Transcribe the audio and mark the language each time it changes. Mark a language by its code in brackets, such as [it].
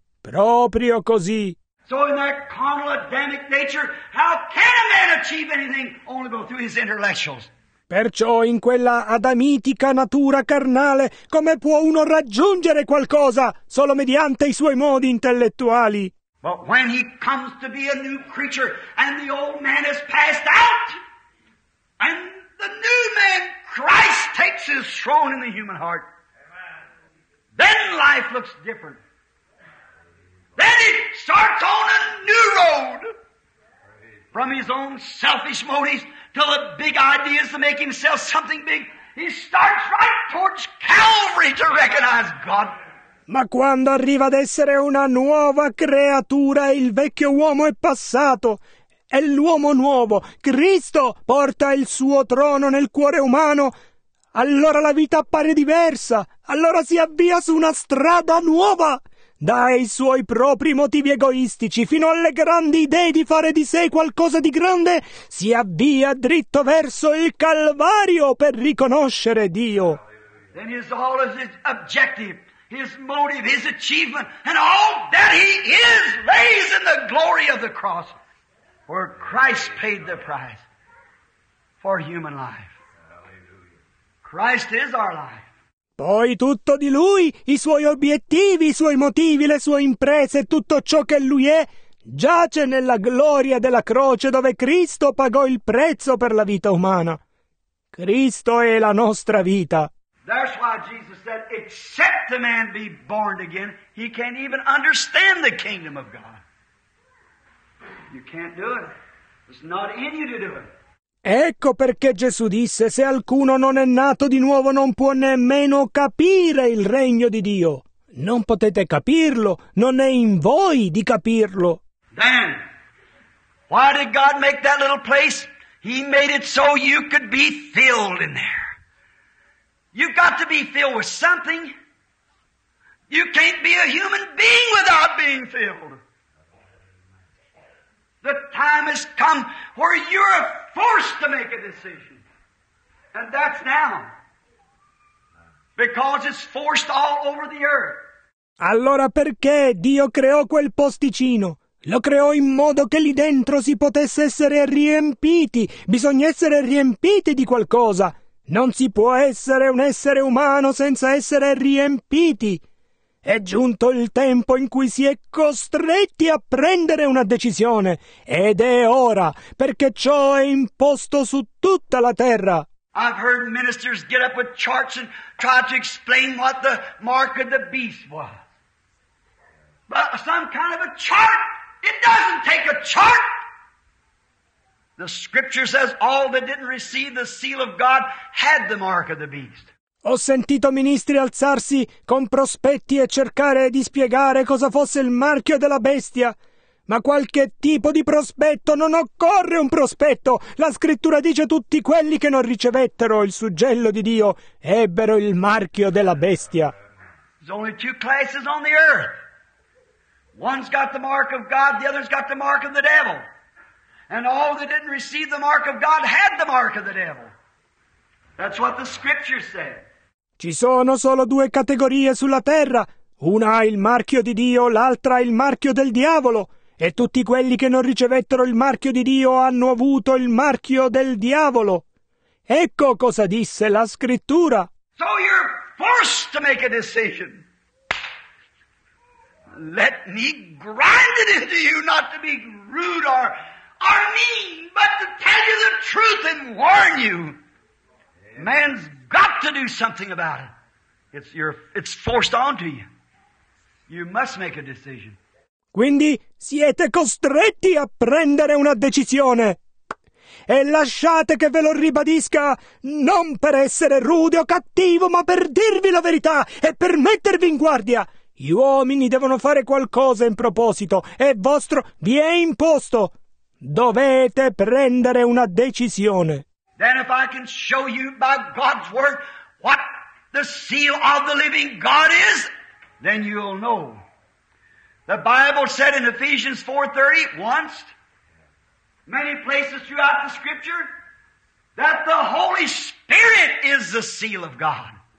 [it] Proprio così. [en] So in that carnal Adamic nature, how can a man achieve anything only go through his intellectuals? [it] Perciò in quella adamitica natura carnale, come può uno raggiungere qualcosa solo mediante i suoi modi intellettuali? [en] But when he comes to be a new creature and the old man has passed out, and the new man Christ takes his throne in the human heart, amen, then life looks different. Then he starts on a new road from his own selfish motives to the big ideas to make himself something big. He starts right towards Calvary to recognize God. [it] Ma quando arriva ad essere una nuova creatura, il vecchio uomo è passato. È l'uomo nuovo. Cristo porta il suo trono nel cuore umano. Allora la vita appare diversa. Allora si avvia su una strada nuova. Dai suoi propri motivi egoistici fino alle grandi idee di fare di sé qualcosa di grande, si avvia dritto verso il Calvario per riconoscere Dio. [en] Then is all of his objective, his motive, his achievement, and all that he is lays in the glory of the cross, where Christ paid the price for human life. Christ is our life. [it] Poi tutto di Lui, i Suoi obiettivi, i Suoi motivi, le Sue imprese, tutto ciò che Lui è, giace nella gloria della croce dove Cristo pagò il prezzo per la vita umana. Cristo è la nostra vita. [en] That's why Jesus said, except the man be born again, he can't even understand the kingdom of God. You can't do it. It's not in you to do it. [it] Ecco perché Gesù disse, se alcuno non è nato di nuovo non può nemmeno capire il regno di Dio. Non potete capirlo, non è in voi di capirlo. [en] Then, why did God make that little place? He made it so you could be filled in there. You've got to be filled with something. You can't be a human being without being filled. The time has come where you're forced to make a decision. And that's now. Because it's forced all over the earth. [it] Allora perché Dio creò quel posticino? Lo creò in modo che lì dentro si potesse essere riempiti. Bisogna essere riempiti di qualcosa. Non si può essere un essere umano senza essere riempiti. È giunto il tempo in cui si è costretti a prendere una decisione, ed è ora, perché ciò è imposto su tutta la terra. [en] I've heard ministers get up with charts and try to explain what the mark of the beast was. But some kind of a chart, it doesn't take a chart. The scripture says all that didn't receive the seal of God had the mark of the beast. [it] Ho sentito ministri alzarsi con prospetti e cercare di spiegare cosa fosse il marchio della bestia. Ma qualche tipo di prospetto, non occorre un prospetto. La scrittura dice tutti quelli che non ricevettero il suggello di Dio ebbero il marchio della bestia. [en] There's only two classes on the earth. One's got the mark of God, the other's got the mark of the devil. And all that didn't receive the mark of God had the mark of the devil. That's what the scripture said. [it] Ci sono solo due categorie sulla terra. Una ha il marchio di Dio, l'altra ha il marchio del diavolo. E tutti quelli che non ricevettero il marchio di Dio hanno avuto il marchio del diavolo. Ecco cosa disse la scrittura. [en] So you're forced to make a decision. Let me grind it into you, not to be rude or mean, but to tell you the truth and warn you. Man's got to do something about it. It's forced onto you. You must make a decision. [it] Quindi siete costretti a prendere una decisione. E lasciate che ve lo ribadisca, non per essere rude o cattivo, ma per dirvi la verità e per mettervi in guardia. Gli uomini devono fare qualcosa in proposito, e vostro vi è imposto. Dovete prendere una decisione. [en] Then if I can show you by God's word what the seal of the living God is, then you'll know. The Bible said in Ephesians 4:30, once, many places throughout the scripture, that the Holy Spirit is the seal of God.